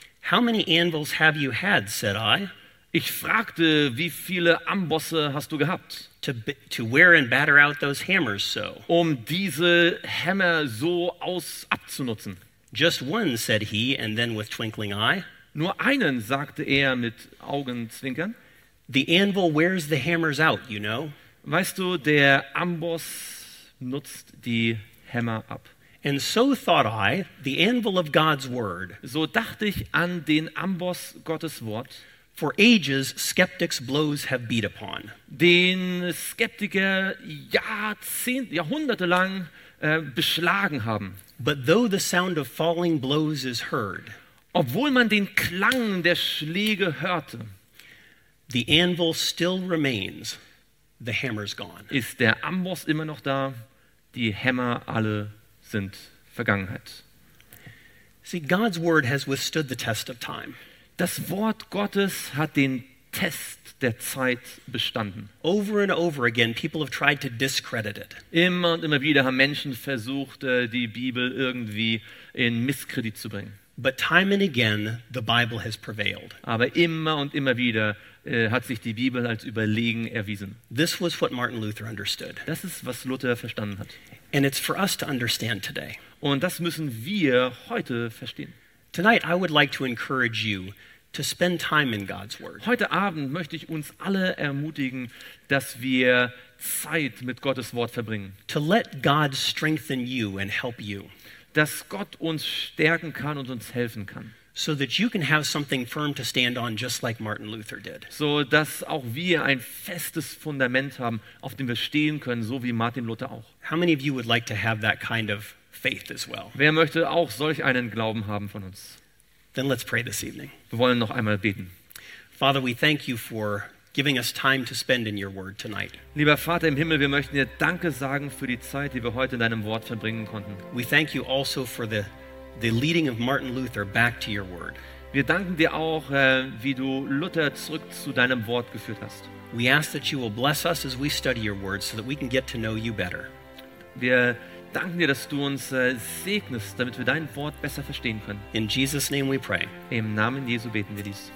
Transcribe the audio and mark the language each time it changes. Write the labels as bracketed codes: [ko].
[en] How many anvils have you had, said I. [de] Ich fragte, wie viele Ambosse hast du gehabt? [en] To wear and batter out those hammers so. [de] Um diese Hämmer so abzunutzen. [en] Just one, said he, and then with twinkling eye. [de] Nur einen, sagte er mit Augenzwinkern. [en] The anvil wears the hammers out, you know. [de] Weißt du, der Amboss nutzt die Hämmer ab. [en] And so thought I, the anvil of God's word. [de] So dachte ich an den Amboss Gottes Wort. [en] For ages skeptics' blows have beat upon. [de] Den Skeptiker Jahrhunderte lang beschlagen haben. [en] But though the sound of falling blows is heard. [de] Obwohl man den Klang der Schläge hörte. [en] The anvil still remains. The hammer's gone. [de] Ist der Amboss immer noch da? Die Hämmer alle sind Vergangenheit. [en] See, God's word has withstood the test of time. [de] Das Wort Gottes hat den Test der Zeit bestanden. [en] Over and over again, people have tried to discredit it. [de] Immer und immer wieder haben Menschen versucht, die Bibel irgendwie in Misskredit zu bringen. [en] But time and again, the Bible has prevailed. [de] Aber immer und immer wieder hat sich die Bibel als überlegen erwiesen. [en] This was what Martin Luther understood. [de] Das ist, was Luther verstanden hat. [en] And it's for us to understand today. [de] Und das müssen wir heute verstehen. [en] Tonight I would like to encourage you to spend time in God's word. [de] Heute Abend möchte ich uns alle ermutigen, dass wir Zeit mit Gottes Wort verbringen. [en] To let God strengthen you and help you. [de] Dass Gott uns stärken kann und uns helfen kann. [en] So that you can have something firm to stand on, just like Martin Luther did. [de] So dass auch wir ein festes Fundament haben, auf dem wir stehen können, so wie Martin Luther auch. [en] How many of you would like to have that kind of faith as well? [de] Wer möchte auch solch einen Glauben haben von uns? [en] Then let's pray this evening. [de] Wir wollen noch einmal beten. [en] Father, we thank you for giving us time to spend in your word tonight. [de] Lieber Vater im Himmel, wir möchten dir Danke sagen für die Zeit, die wir heute in deinem Wort verbringen konnten. [en] We thank you also for the leading of Martin Luther back to your word. [de] Wir danken dir auch, wie du Luther zurück zu deinem Wort geführt hast. [en] We ask that you will bless us as we study your word so that we can get to know you better. [de] Wir danken dir, dass du uns segnest, damit wir dein Wort besser verstehen können. [en] In Jesus' name we pray. [de] Im Namen Jesu beten wir dies.